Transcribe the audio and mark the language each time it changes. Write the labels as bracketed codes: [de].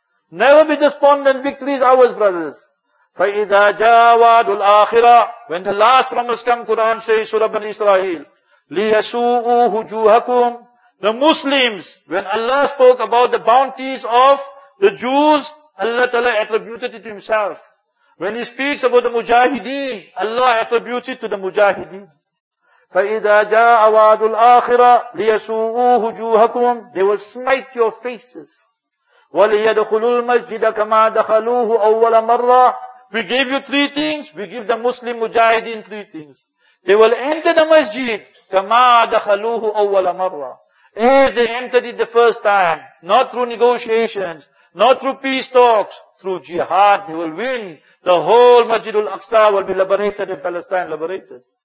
[en] Never be despondent, victory is ours, brothers. [ar] فَإِذَا جَاءَ وَعَدُ الْآخِرَةِ [en] When the last promise comes, Quran says, Surah Bani Israel, [ar] لِيَسُوءُوا هُجُوهَكُمْ [en] The Muslims, when Allah spoke about the bounties of the Jews, Allah Ta'ala attributed it to Himself. When He speaks about the Mujahideen, Allah attributes it to the Mujahideen. [ar] فَإِذَا جَاءَ وَعَدُ الْآخِرَةِ لِيَسُوءُوا هُجُوهَكُمْ [en] They will smite your faces. [ar] وَلِيَدْخُلُوا الْمَسْجِدَ كَمَا دَخَلُوهُ أَوَّلَ مَرَّةِ [en] We give you 3 things. We give the Muslim Mujahideen 3 things. They will enter the masjid. [ar] كَمَا دَخَلُوهُ أَوَّلَ مَرَّةِ [en] As they entered it the first time. Not through negotiations. Not through peace talks. Through jihad. They will win. The whole Masjid al-Aqsa will be liberated and Palestine liberated.